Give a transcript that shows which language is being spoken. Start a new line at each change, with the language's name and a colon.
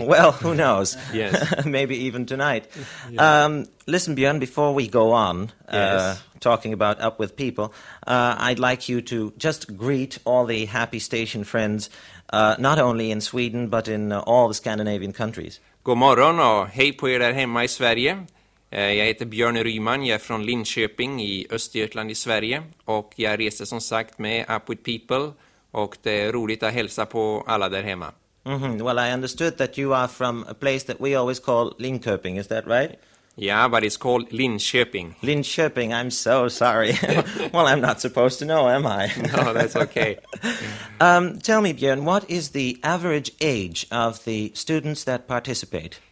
English: Well, who knows? Yes. Maybe even tonight. Yeah. Listen, Björn, before we go on talking about Up With People, I'd like you to just greet all the Happy Station friends, not only in Sweden, but in all the Scandinavian countries.
Swedish: God morgon och hej på er där hemma i Sverige. Jag heter Björn Ryman, jag är från Linköping i Östergötland i Sverige och jag reser som sagt med Up With People och det är roligt att hälsa på alla där hemma.
English: Well, I understood that you are from a place that we always call Linköping, is that right? Yeah, but it's called Linköping. Linköping, I'm so sorry. Well, I'm not supposed to know, am I? No, that's okay. Tell me, Björn, what is the average age of the students that participate?